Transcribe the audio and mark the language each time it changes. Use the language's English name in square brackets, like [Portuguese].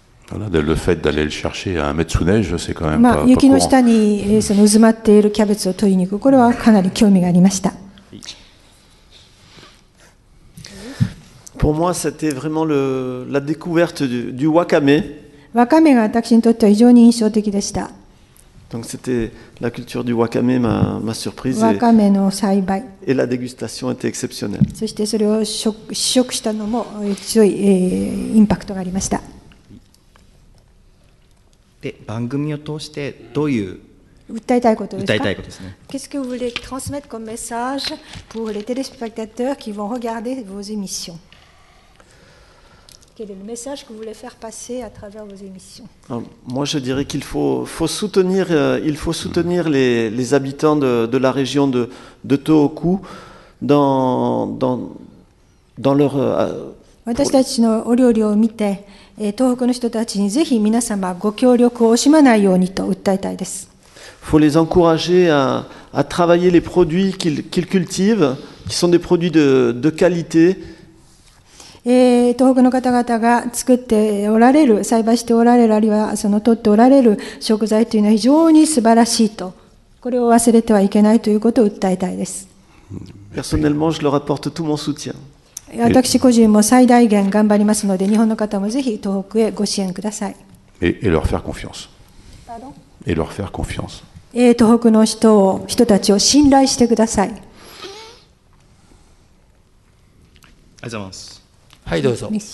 [French] Voilà, le fait d'aller le chercher à un mètre sous neige, c'est quand même pas courant. [Japanese] 雪の下にその埋まっているキャベツを取りに行く、これはかなり興味がありました。 [French] Pour moi, c'était vraiment la découverte du wakame. [Japanese] Wakame が私にとっては非常に印象的でした。 [French] Donc c'était la culture du wakame, ma surprise. [Japanese] Wakame no saibai. [French] Et la dégustation était exceptionnelle. [Japanese] そしてそれを試食したのも強い、インパクトがありました。で、番組を通してどういう訴えたいことですか？訴えたいことですね。 [French] Qu'est-ce que vous voulez transmettre comme message pour les téléspectateurs qui vont regarder vos émissions? Quel est le message que vous voulez faire passer à travers vos émissions? Moi, je dirais qu'il faut soutenir, les habitants de la région de Tohoku dans leur. [Japanese] 私たちのお料理を見て、東北の人たちにぜひ皆様ご協力を惜しまないようにと訴えたいです。 [French] Faut les encourager à travailler les produits qu'ils cultivent, qui sont des produits de qualité. [Japanese] 東北の方々が作っておられる、栽培しておられる、あるいはその取っておられる食材というのは非常に素晴らしいと、これを忘れてはいけないということを訴えたいです。 [French] Personnellement, je leur apporte tout mon soutien. [Japanese] 私個人も最大限頑張りますので、日本の方もぜひ東北へご支援ください。 [French] Et leur faire confiance. Et leur faire confiance. [Japanese] 東北の人たちを信頼してください。ありがとうございます。はい、どうぞ。